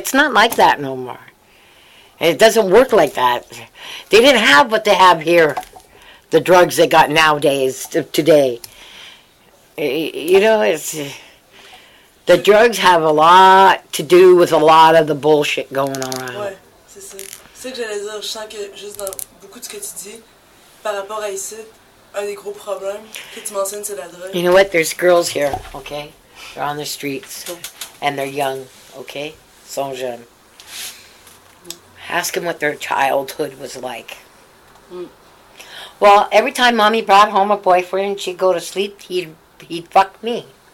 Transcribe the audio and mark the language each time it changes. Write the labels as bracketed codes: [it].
[en] It's not like that no more. And it doesn't work like that. They didn't have what they have here, the drugs they got nowadays, today. You know, the drugs have a lot to do with a lot of the bullshit going on. [fr] Ouais, c'est ça. C'est que j'allais dire, je sens que juste dans beaucoup de ce que tu dis, par rapport à ici, un des gros problèmes que tu mentionnes, c'est la drogue. [en] You know what, there's girls here, okay? They're on the streets, and they're young, okay? [fr] Ils sont jeunes. [en] Ask them what their childhood was like. Well, every time mommy brought home a boyfriend and she'd go to sleep, he'd fuck me.